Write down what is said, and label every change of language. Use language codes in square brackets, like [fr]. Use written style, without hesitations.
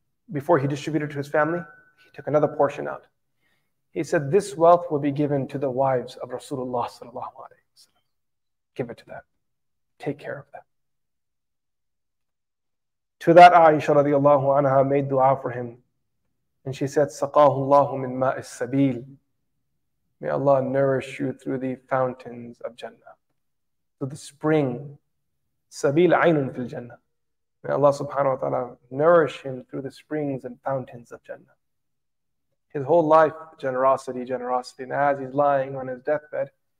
[en] Before he distributed to his family, he took another portion out. He said, this wealth will be given to the wives of Rasulullah sallallahu alayhi wa sallam. Give it to them. Take care of them. To that Aisha radiallahu anha made dua for him. And she said, [ar] سَقَاهُ اللَّهُ مِنْ مَاءِ السَّبِيلِ. [en] May Allah nourish you through the fountains of Jannah. Through the spring. [ar] سَبِيلَ عَيْنٌ فِي الْجَنَّةِ. [en] May Allah subhanahu wa ta'ala nourish him through the springs and fountains of Jannah. His whole life, generosity, generosity. And as he's lying on his deathbed.